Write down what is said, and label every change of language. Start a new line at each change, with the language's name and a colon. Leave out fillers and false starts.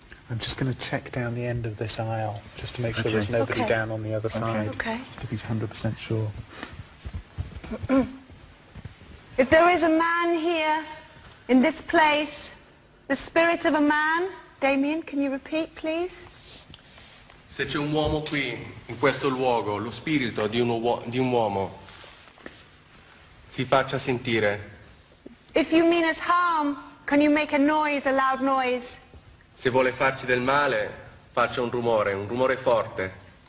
English: I'm just going to check down the end of this aisle, just to make sure there's nobody down on the other side. Okay. Just to be 100% sure. If there is a man here, in this place, the spirit of a man, Damien, can you repeat, please?
Italian: Se c'è un uomo qui, in questo luogo, lo spirito di un uomo, si faccia sentire.
English: If you mean us harm, can you make a noise, a loud noise?
Italian: Se vuole farci del male, faccia un rumore forte.